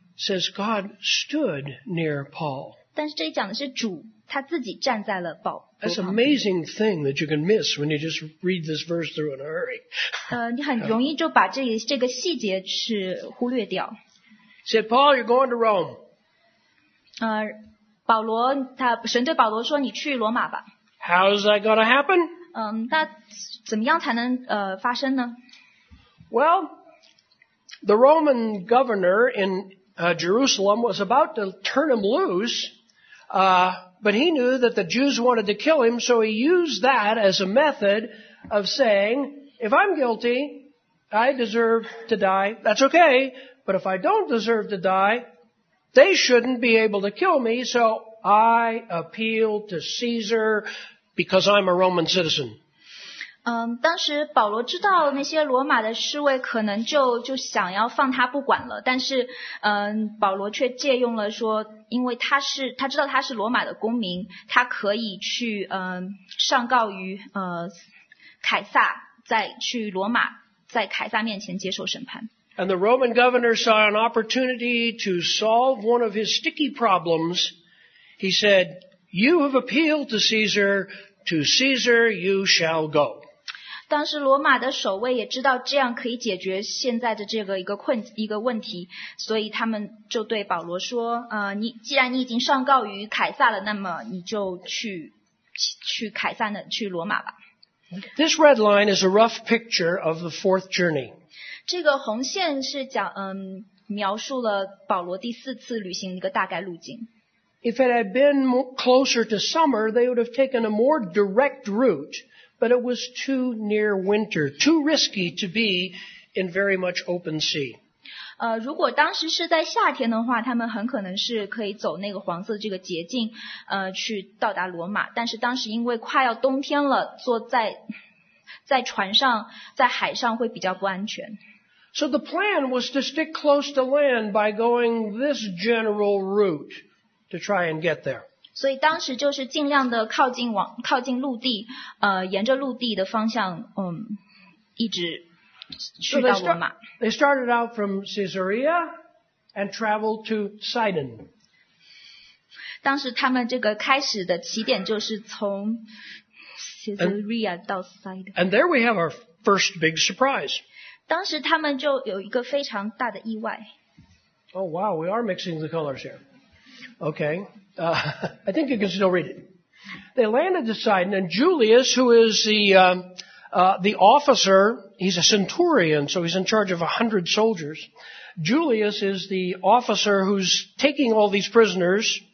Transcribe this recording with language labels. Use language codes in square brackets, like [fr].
[en] Says God stood near Paul. [zh] 但是这里讲的是主他自己站在了保罗旁边。 [en] That's an amazing thing that you can miss when you just read this verse through in a hurry. [zh] 你很容易就把这个细节是忽略掉。 [en] Said Paul, you're going to Rome. [zh] 保罗他神对保罗说：“你去罗马吧。” [en] How's that going to happen? [zh] 那怎么样才能发生呢？ [en] Well, the Roman governor in Jerusalem was about to turn him loose, but he knew that the Jews wanted to kill him, so he used that as a method of saying, "If I'm guilty, I deserve to die. That's okay, but if I don't deserve to die,They shouldn't be able to kill me, so I appeal to Caesar because I'm a Roman citizen. [zh] 当时保罗知道那些罗马的侍卫可能就想要放他不管了，但是保罗却借用了说，因为他知道他是罗马的公民，他可以去上告于凯撒，再去罗马，在凯撒面前接受审判。 [en] And the Roman governor saw an opportunity to solve one of his sticky problems. He said, "You have appealed to Caesar. To Caesar, you shall go." [zh] 当时罗马的守卫也知道这样可以解决现在的这个一个问题，所以他们就对保罗说，你既然你已经上告于凯撒了，那么你就去凯撒那去罗马吧。 [en] This red line is a rough picture of the fourth journey. [zh] 这个红线是讲描述了保罗第四次旅行一个大概路径。 [en] If it had been closer to summer, they would have taken a more direct route, but it was too near winter, too risky to be in very much open sea. [zh] 如果当时是在夏天的话，他们很可能是可以走那个黄色这个捷径，去到达罗马。但是当时因为快要冬天了，坐在船上，在海上会比较不安全。 [en] So the plan was to stick close to land by going this general route to try and get there. [zh] 所以当时就是尽量的靠近陆地，沿着陆地的方向，一直去到罗马。 [en] They started out from Caesarea and traveled to Sidon. [zh] 当时他们这个开始的起点就是从 Caesarea 到 Sidon. [en] And there we have our first big surprise. [zh] 当时他们就有一个非常大的意外。 [en] Oh wow, we are mixing the colors here. Okay, I think you can still read it. They landed at Sidon, and Julius, who is the officer, he's a centurion, so he's in charge of 100 soldiers. Julius is the officer who's taking all these prisoners.